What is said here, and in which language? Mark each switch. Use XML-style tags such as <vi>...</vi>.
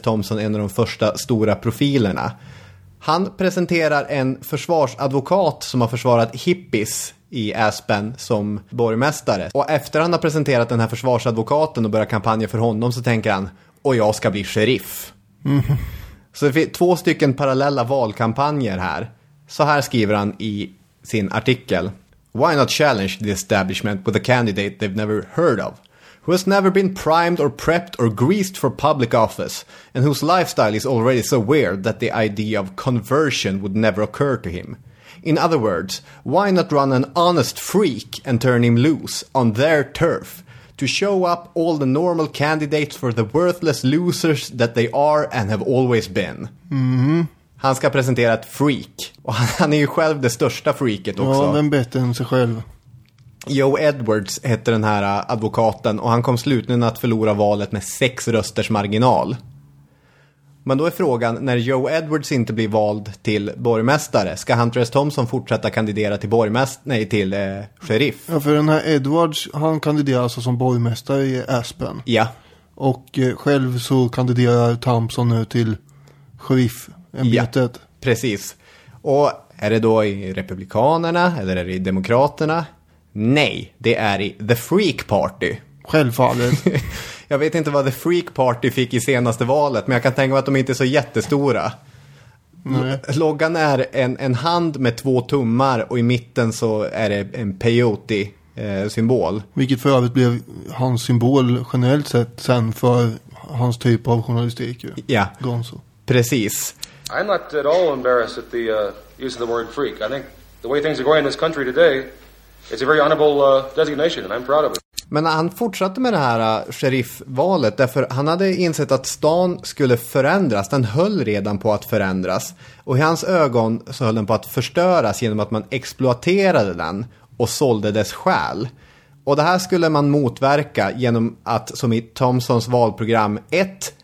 <sv>Thompson en av de första stora profilerna. Han presenterar en försvarsadvokat som har försvarat hippies i Aspen som borgmästare. Och efter han har presenterat den här försvarsadvokaten och börjat kampanja för honom så tänker han, och jag ska bli sheriff. Mm. Så det finns två stycken parallella valkampanjer här. Så här skriver han i sin artikel.</sv> <en>Why not challenge the establishment with a candidate they've never heard of? Who has never been primed or prepped or greased for public office? And whose lifestyle is already so weird that the idea of conversion would never occur to him? In other words, why not run an honest freak and turn him loose on their turf to show up all the normal candidates for the worthless losers that they are and have always been? Mm-hmm.</en> <sv>Han ska presentera ett freak. Och han är ju själv det största freaket också. Ja, vem bättre än sig själv? Joe Edwards heter den här advokaten och han kom slutligen att förlora valet med 6 rösters marginal. Men då är frågan, när Joe Edwards inte blir vald till borgmästare, ska Hunter S. Thompson fortsätta kandidera till sheriff? Ja, för den här Edwards, han kandiderar alltså som borgmästare i Aspen. Ja. Och själv så kandiderar Thompson nu till sheriffämbetet. Ja, precis. Och är det då i Republikanerna eller är det i Demokraterna? Nej, det är i The Freak Party. Självfallet. Jag vet inte vad The Freak Party fick i senaste valet, men jag kan tänka mig att de inte är så jättestora. Nej. Loggan är en hand med 2 tummar och i mitten så är det en peyote-symbol. Vilket för övrigt blev hans symbol generellt sett sen för hans typ av journalistik. Ju. Ja, Gonzo. Precis.</sv> <en>I'm not at all embarrassed at the use of the word freak. I think the way things are going in this country today, it's a very honorable designation and I'm proud of it.</en> <sv>Men han fortsatte med det här sheriffvalet därför han hade insett att stan skulle förändras. Den höll redan på att förändras. Och i hans ögon så höll den på att förstöras genom att man exploaterade den och sålde dess själ. Och det här skulle man motverka genom att, som i Thompsons valprogram, 1.</sv>